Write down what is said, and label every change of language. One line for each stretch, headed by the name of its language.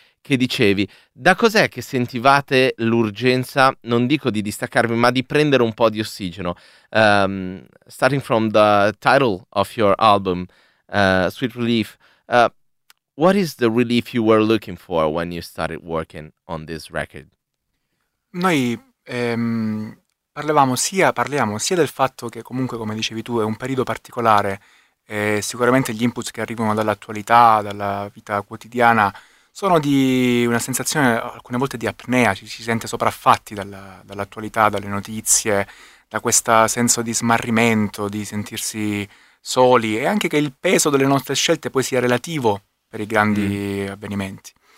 Italian: che dicevi, da cos'è che sentivate l'urgenza, non dico di distaccarvi, ma di prendere un po' di ossigeno?
English: Starting from the title of your album, Sweet Relief, what is the relief you were looking for when you started working on this record?
Italian: Noi parliamo sia del fatto che comunque, come dicevi tu, è un periodo particolare. Sicuramente gli input che arrivano dall'attualità, dalla vita quotidiana, sono di una sensazione, alcune volte, di apnea, ci si sente sopraffatti dall'attualità, dalle notizie, da questo senso di smarrimento, di sentirsi soli, e anche che il peso delle nostre scelte poi sia relativo per i grandi avvenimenti.